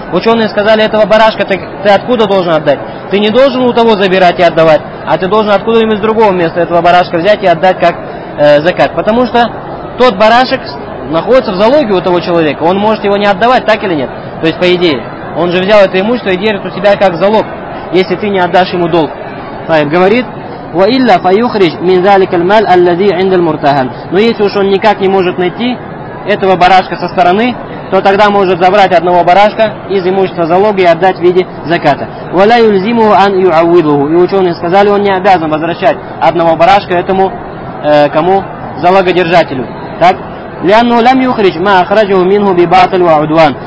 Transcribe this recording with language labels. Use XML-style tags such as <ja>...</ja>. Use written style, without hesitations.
<ru>Ученые сказали, этого барашка ты откуда должен отдать? Ты не должен у того забирать и отдавать, а ты должен откуда-нибудь с другого места этого барашка взять и отдать как закат. Потому что тот барашек находится в залоге у того человека, он может его не отдавать, так или нет? То есть, по идее, он же взял это имущество и держит у себя как залог, если ты не отдашь ему долг. Фаиб говорит,</ru> <ar>وَإِلَّا فَيُخْرِجْ مِنْ ذَلِكَ الْمَالَ الَّذِي عِنْدَ الْمُرْتَهَنْ.</ar> <ru>Но если уж он никак не может найти этого барашка со стороны, то тогда может забрать одного барашка из имущества залога и отдать в виде заката.</ru> <ar>وَلَا يُلْزِمُهُ أَنْ يُعَوِّضُهُ.</ar> <ru>И ученые сказали, он не обязан возвращать одного барашка этому, кому? Залогодержателю. Так?</ru> <ar>لَأَنُّهُ لَمْ يُخْرِجْ مَا أَخْرَجَهُ مِنْهُ بِبَاطِلُ وَعُدْوَانُ.</ar>